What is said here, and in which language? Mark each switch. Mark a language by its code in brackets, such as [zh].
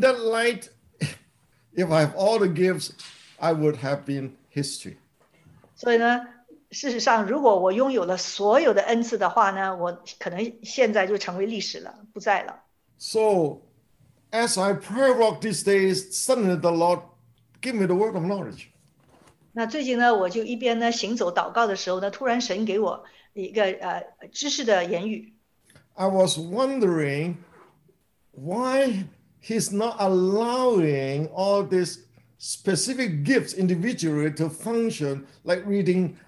[en] that light, if I have all the gifts, I would have been history. [zh] 所以呢。事实上，如果我拥有了所有的恩赐的话呢，我可能现在就成为历史了，不在了。 [en] So, as I prayer walk these days, suddenly the Lord give me the word of knowledge. [zh] 那最近呢，我就一边呢行走祷告的时候呢，突然神给我一个知识的言语。 [en] I was wondering why He's not allowing all these specific gifts individually to function like reading.